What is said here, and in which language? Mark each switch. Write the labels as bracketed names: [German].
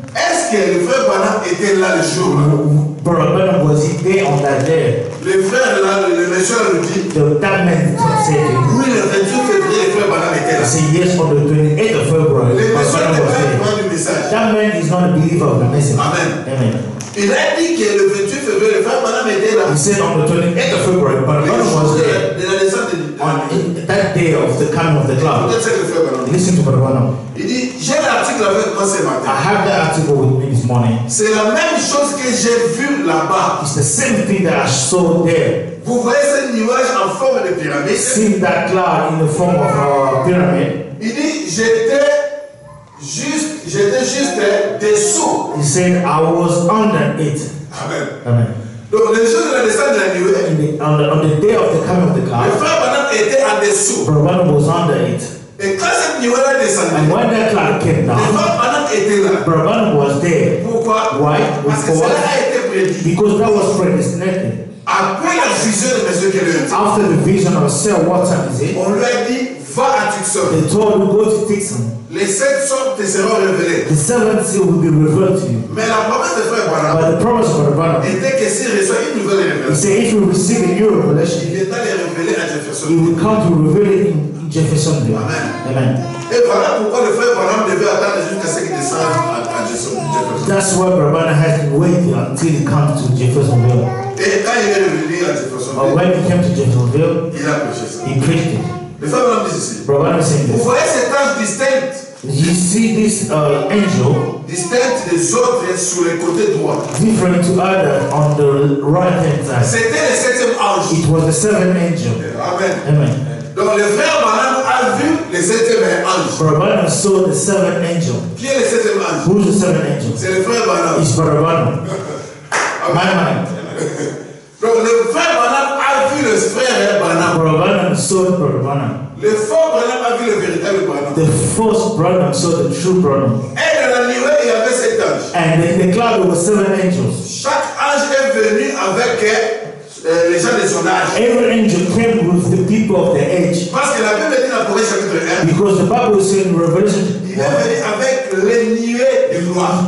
[French] Est-ce que le frère Branham était là le jour? [English] Brother Branham was there on that day. [French] Le frère là, le monsieur lui dit. [English] That man said. [French] Oui, le 28 février, le frère Branham était là. [English] He said yes on the 28th of February. [French] Le monsieur n'est pas un message. [English] That man is not a believer of the message. [French] Amen. [English] Amen. [French] Il a dit que le 28 février, le frère Branham était là. [English] He said on the 28th of February, Brother Branham was there. [French] De la descente de [English] on that day of the coming of the cloud. Listen to Brother Branham. [French] Il dit, j'ai l'article avec moi ce matin. [English] I have that article with me this morning. [French] C'est la même chose que j'ai vu là-bas. [English] It's the same thing that I saw there. [French] Vous voyez ce nuage en forme de pyramide? [English] See that cloud in the form of a pyramid. [French] Il dit, j'étais juste dessous. [English] He said I was under it. [French] Amen. [English] Amen. [French] Donc les jours de la descente de la nuée. [English] On the day of the coming of the cloud. [French] Le frère Branham était en dessous. [English] Brother Branham was under it. [French] Et quand cette nuée là descendit. [English] And when that cloud came down. [French] Le frère Branham était là. [English] Brother Branham was there. [French] Pourquoi? [English] Why? [French] Parce que cela a été prédit. [English] Because that was predestined. [French] Après la vision de Monsieur Kelly. [English] After the vision of Sir Walter, is it? [French] On lui a dit va à Tucson. [English] They told him go to Tucson. [French] Les sept sortes te seront révélées. [English] The seventh seal will be revealed to you. [French] Mais la promesse de frère Branham. [English] But the promise of the Branham. [French] Était que s'il reçoit une nouvelle révélation. [English] He said if you receive a new revelation. [French] Il est allé révéler à Jefferson. [English] He will come to reveal it in Jefferson. [French] Amen. [English] Amen. [French] Et voilà pourquoi le frère Branham devait attendre jusqu'à ce qu'il descende à Jefferson. [English] That's why Brother Branham has been waiting until he comes to Jeffersonville. [French] Et quand il est revenu à Jeffersonville. [English] But when he came to Jeffersonville. [French] Il a prêché ça. [English] He preached it. [French] Le frère Branham dit ceci. [English] Brother Branham said this. [French] Vous voyez cet ange distinct. [English] You see this angel [French] distinct des autres sur le côté droit. [English] Different to other on the right hand side. [French] C'était le septième ange. [English] It was the seventh angel. [French] Amen. [English] Amen. [French] Donc le frère Branham a vu le septième ange. [English] Brother Branham saw the seventh angel. [French] Qui est le septième ange? [English] Who is the seventh angel? [French] C'est le frère Branham. [English] It's Brother Branham. [French] Amen. [English] Amen. [French] Donc le frère Branham a vu le frère Branham. [English] Brother Branham saw the Brother Branham. [French] Le faux Branham a vu le véritable Branham. [English] The false Branham saw the true Branham. [French] Et dans la nuée, il y avait sept anges. [English] And in the cloud there were seven angels. [French] Chaque ange est venu avec les gens de son âge. [English] Every angel came with the people of the age. [French] Parce que la Bible dit dans Apocalypse chapitre 1. [English] Because the Bible says in Revelation. [French] Il est venu avec les nuées de gloire.